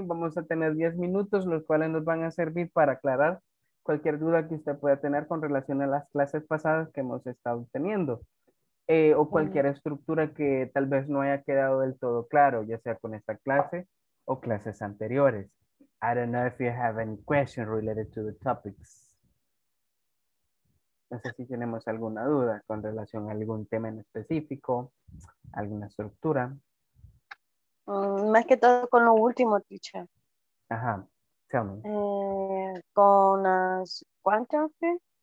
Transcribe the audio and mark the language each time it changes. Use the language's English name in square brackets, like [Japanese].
[Spanish] Vamos a tener 10 minutos, los cuales nos van a servir para aclarar cualquier duda que usted pueda tener con relación a las clases pasadas que hemos estado teniendo. O cualquier estructura que tal vez no haya quedado del todo claro, ya sea con esta clase o clases anteriores. [English] I don't know if you have any question related to the topics. [Spanish] No sé si tenemos alguna duda con relación a algún tema en específico, alguna estructura. Más que todo con lo último, teacher. [English] Ajá, tell me. [Spanish] Con las quantifiers.